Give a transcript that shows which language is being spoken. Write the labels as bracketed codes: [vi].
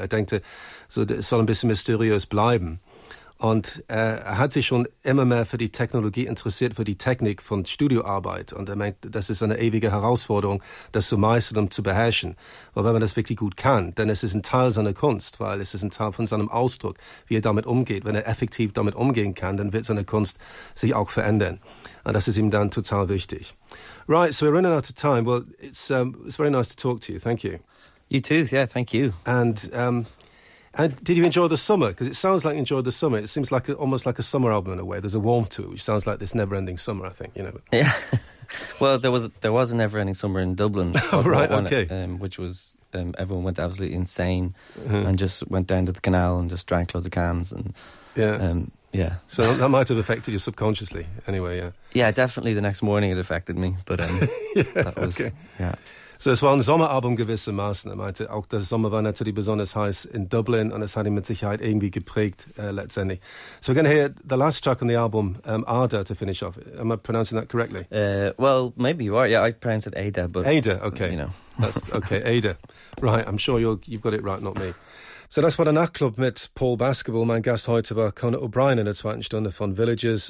[de] Er denkt, so, das soll ein bisschen mysteriös bleiben. Und er hat sich schon immer mehr für die Technologie interessiert, für die Technik von Studioarbeit. Und er meint, das ist eine ewige Herausforderung, das zu meistern und zu beherrschen. Weil wenn man das wirklich gut kann, dann ist es ein Teil seiner Kunst, weil es ist ein Teil von seinem Ausdruck, wie er damit umgeht. Wenn er effektiv damit umgehen kann, dann wird seine Kunst sich auch verändern. Und das ist ihm dann total wichtig. [en] Right, so we're running out of time. Well, it's very nice to talk to you. Thank you. You too. Yeah, thank you. And did you enjoy the summer? Because it sounds like you enjoyed the summer. It seems like almost like a summer album in a way. There's a warmth to it, which sounds like this never-ending summer, I think, you know. Yeah. Well, there was a never-ending summer in Dublin. Oh, right, okay. Which was, everyone went absolutely insane, mm-hmm. and just went down to the canal and just drank loads of cans. And Yeah. So that might have affected you subconsciously anyway, yeah. Yeah, definitely the next morning it affected me, but yeah, that was, okay. Yeah. [de] So es war ein Sommeralbum gewissermaßen. Er meinte, auch der Sommer war natürlich besonders heiß in Dublin, und es hat ihn mit Sicherheit irgendwie geprägt, letztendlich. [en] So we're going to hear the last track on the album, Ada, to finish off. Am I pronouncing that correctly? Well, maybe you are. Yeah, I pronounce it Ada, but... Ada, okay. You know. Okay, Ada. Right, I'm sure you've got it right, not me. [de] So das war der Nachtclub mit Paul Baskerville. Mein Gast heute war Conor O'Brien in der zweiten Stunde von Villages.